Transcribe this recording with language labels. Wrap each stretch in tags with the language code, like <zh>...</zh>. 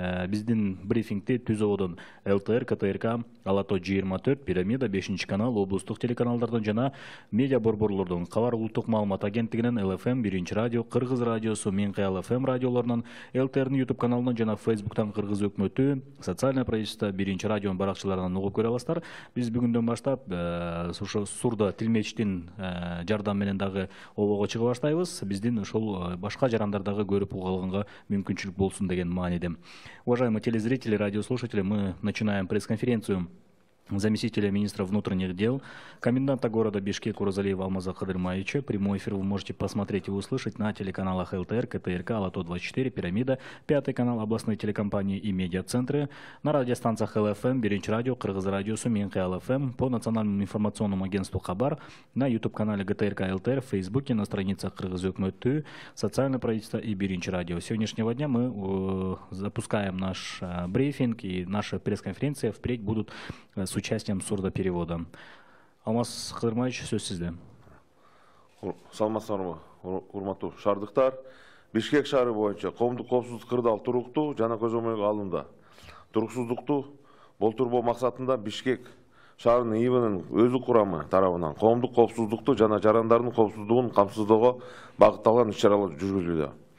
<ky>Биздин брифингди түзөөдөн ЛТР, КТРК, Алатоо 24, Пирамида, 5-чи канал, облустук телеканалдардан жана медиа борборлордон, Кабар улуттук маалымат агенттигинен, ЛФМ, 1-чи радио, Кыргыз радиосу, Минкаял ФМ радиолорунан, ЛТРнин YouTube каналынан жана Facebook'тан Кыргыз өкмөтү, социальный правительство, 1-чи радионун баракчаларынан угуп көрө аласыздар. Биз бүгүндөн баштап ушу сурда тилмечтин жардам менен дагы обого чыга баштайбыз. Биздин ушул башка жарандар дагы көрүп угалганга мүмкүнчүлүк болсун деген мааниде.</ky> <ru>Уважаемые телезрители, радиослушатели, мы начинаем пресс-конференцию заместителя министра внутренних дел, коменданта города Бишкек Оразалиева Алмаза Кыдырмаевича. Прямой эфир вы можете посмотреть и услышать на телеканалах ЛТР, КТРК, Алатоо 24, Пирамида, 5-й канал, областные телекомпании и медиа-центры, на радиостанциях ЛФМ, Биринч радио, Кыргыз радиосу, Минкаял ФМ, по национальному информационному агентству Хабар, на YouTube-канале ГТРК ЛТР, в Фейсбуке, на страницах Кыргыз өкмөтү, социальное правительство и Биринч радио. С сегодняшнего дня мы запускаем наш брифинг, и наша пресс-конференция впредь будут с участием сурдоперевода.</ru> <ky>Алмаз Кыдырмаевич, сөз сизде. Саламатсыңарбы, урматтуу шаардыктар. Бишкек шаары боюнча коомдук коопсуздук кырдаал туруктуу жана көзөмөлгө алынды. Туруксуздукту болтурбоо максатында Бишкек шаарынын ИИБнын өзү курамы тарабынан коомдук коопсуздукту жана жарандардын коопсуздугун камсыздоого багытталган иш-чаралар жүргүзүлүүдө.</ky>